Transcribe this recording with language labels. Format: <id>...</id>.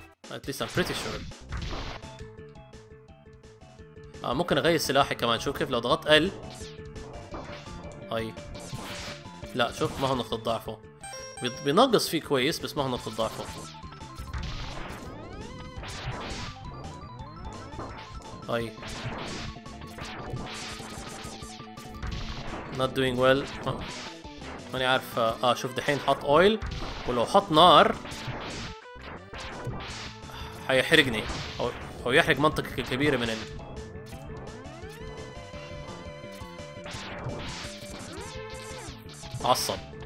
<en>At least I'm pretty sure.</en> <ar>ممكن أغير سلاحي كمان، شوف كيف لو ضغطت L. أي لا شوف ما هو نقطة ضعفه، بينقص فيه كويس بس ما هو نقطة ضعفه.</ar> <en>أي not doing well.</en> <ar>ماني عارف. شوف دحين حط أويل، ولو حط نار حيحرقني أو يحرق منطقة كبيرة من ال... عصب.</ar>